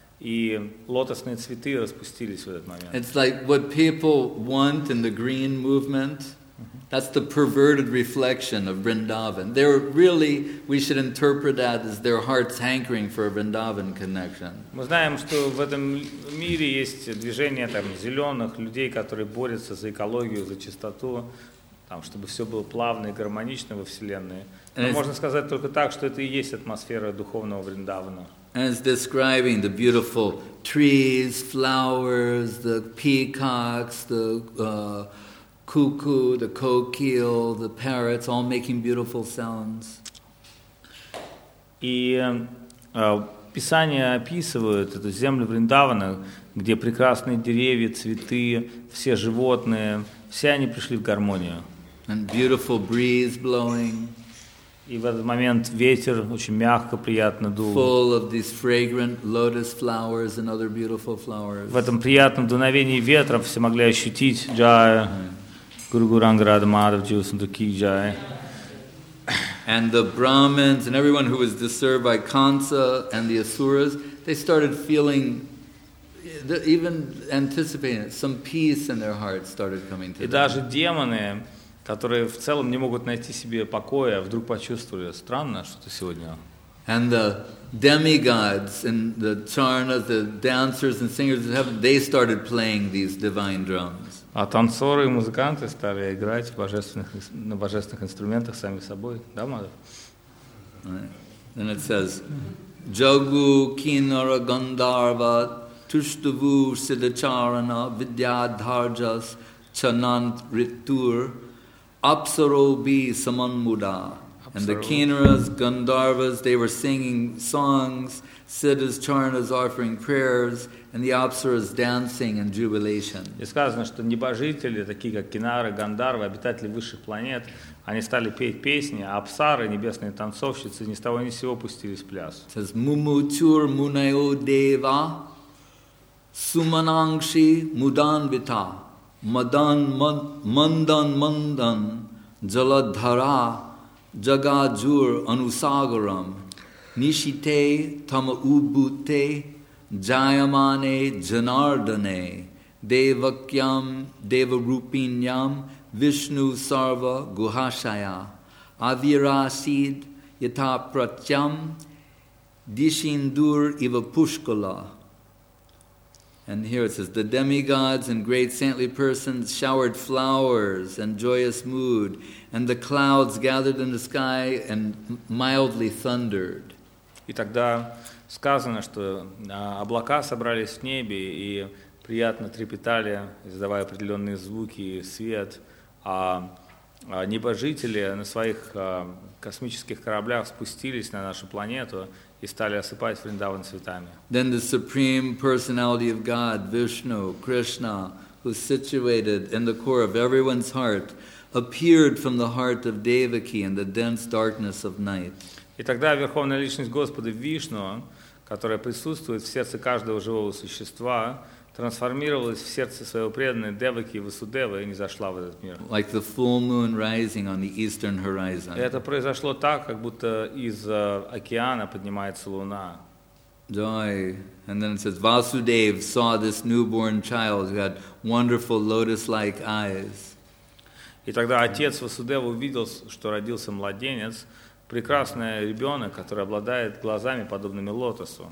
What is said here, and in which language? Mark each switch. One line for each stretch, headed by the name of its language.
Russian: И лотосные цветы распустились в этот момент.
English: It's like what people want in the green movement. That's the perverted reflection of Vrindavan. They're really, we should interpret that as their hearts hankering for a Vrindavan connection.
Russian: Мы знаем, что в этом мире есть движение там зеленых людей, которые борются за экологию, за чистоту, там, чтобы все было плавно и гармонично во вселенной. Но можно сказать только так, что это и есть атмосфера духовного Вриндавана.
English: And it's describing the beautiful trees, flowers, the peacocks, the cuckoo, the kokil, the parrots, all making beautiful sounds.
Russian: И Писание описывает эту землю Вриндавана, где прекрасные деревья, цветы, все животные, все они пришли в гармонию.
English: And beautiful breeze blowing.
Russian: И в этот момент ветер очень мягко, приятно дул.
English: Full of these fragrant lotus flowers and other beautiful flowers.
Russian: В этом приятном дуновении ветра все могли ощутить джая, гуру-гуранграда, мадхав-джива, сундуки, джая.
English: And the Brahmins and everyone who was disturbed by Kansa and the Asuras, they started feeling, even anticipating it, some peace in their hearts started coming to them.
Russian: И даже демоны, которые в целом не могут найти себе покоя, вдруг почувствовали, странно, что-то сегодня.
English: And the demigods and the charna, the dancers and singers of heaven, they started playing these divine drums.
Russian: А танцоры и музыканты стали играть на божественных инструментах сами собой, да, Мадхав?
English: Right. And it says,
Sanskrit: Jagu kinara gandharva tushtavu siddhacharana vidyadharjas chanant ritur Apsarobi Samanmuda.
English: And the Kinaras, Gandharvas, they were singing songs, Siddhas, Charnas offering prayers, and the Apsaras dancing in jubilation.
Russian: И сказано, что небожители, такие как Кинары, Гандарвы, обитатели высших планет, они стали петь песни, а Апсары, небесные танцовщицы, ни с того ни с сего пустились в пляс.
English: It says,
Sanskrit: Mumuchur Munayo Deva Sumanangshi Mudanvita Madan Mandan Mandan Jaladhara Jagajur Anusagaram Nishite Tama Ubute Jayamane Janardane Devakyam Devarupinyam Vishnu Sarva Guhashaya Avirasid Yataprachyam Dishindur Ivapushkala.
English: And here it says, the demigods and great saintly persons showered flowers and joyous mood, and the clouds gathered in the sky and mildly thundered.
Russian: И тогда сказано, что облака собрались в небе и приятно трепетали, издавая определенные звуки и свет, а небожители на своих космических кораблях спустились на нашу планету и стали осыпать Вриндаван цветами.
English: Then the Supreme Personality of God, Vishnu, Krishna, who's situated in the core of everyone's heart, appeared from the heart of Devaki in the dense darkness of night.
Russian: И тогда Верховная Личность Господа Вишну, которая присутствует в сердце каждого живого существа, трансформировалась в сердце своего преданного Деваки и Васудевы и не зашла в этот мир.
English: Like the full moon rising on the eastern horizon.
Russian: Это произошло так, как будто из океана поднимается луна.
English: Joy. And then it says, Vasudev saw this newborn child who had wonderful lotus-like eyes.
Russian: И тогда отец Васудева увидел, что родился младенец, прекрасный ребенок, который обладает глазами, подобными лотосу.